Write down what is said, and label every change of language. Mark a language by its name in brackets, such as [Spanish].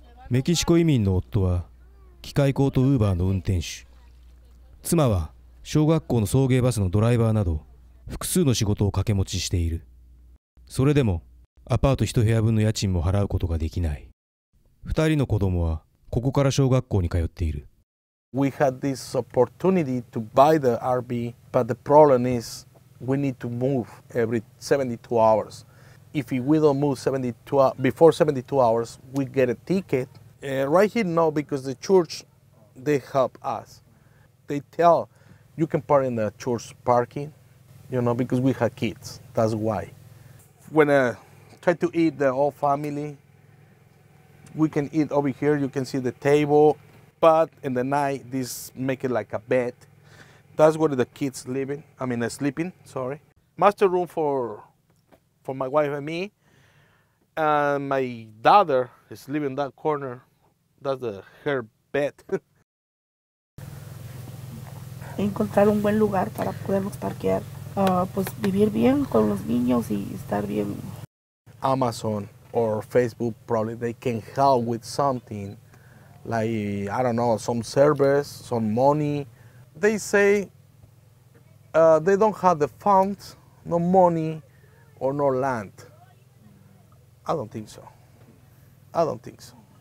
[Japanese] メキシコ移民の夫は機械工とウーバーの運転手、妻は小学校の送迎バスのドライバーなど複数の仕事を掛け持ちしている。それでもアパート一部屋分の家賃も払うことができない。二人の子供はここから小学校に通っている。 [English] We had this opportunity to buy the RV, but the problem is we need to move every 72 hours. If we don't move before 72 hours, we get a ticket. Right here, no, because the church, they help us. They tell, you can park in the church parking, you know, because we have kids. That's why. When a try to eat the whole family. We can eat over here, you can see the table, but in the night, this make it like a bed. That's where the kids living, I mean, sleeping, sorry. Master room for my wife and me, and my daughter is living in that corner. That's the, her bed. [Spanish] Encontrar un buen lugar para podernos parquear, pues vivir bien con los niños y estar bien. [English] Amazon or Facebook, probably they can help with something, like, I don't know, some servers, some money. They say they don't have the funds, no money, or no land. I don't think so. I don't think so.